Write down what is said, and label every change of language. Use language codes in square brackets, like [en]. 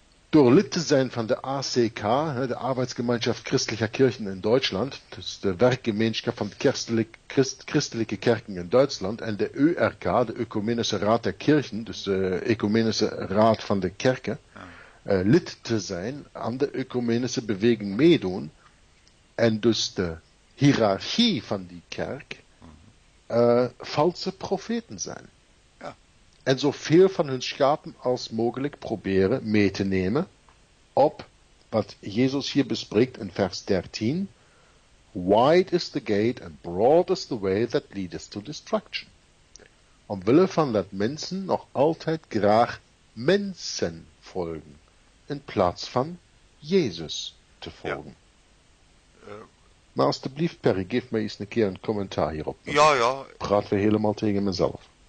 [nl] door lid te zijn van de ACK, de Arbeitsgemeinschaft Christlicher Kirchen in Deutschland, dus de werkgemeenschap van christelijke kerken in Duitsland, en de ÖRK, de Ökumenische Raad der Kirchen, dus de Ökumenische Raad van de Kerken, lid te zijn, aan de Ökumenische Beweging meedoen, en dus de hiërarchie van die kerk, valse profeten zijn. En zoveel van hun schapen als mogelijk proberen mee te nemen op wat Jezus hier bespreekt in vers 13. [en] Wide is the gate and broad is the way that leads to destruction. [nl] Omwille van dat mensen nog altijd graag mensen volgen, in plaats van Jezus te volgen. Ja. Maar alsjeblieft, Perry, geef me eens een keer een commentaar hierop. Ja, ja. Praat weer helemaal tegen mezelf.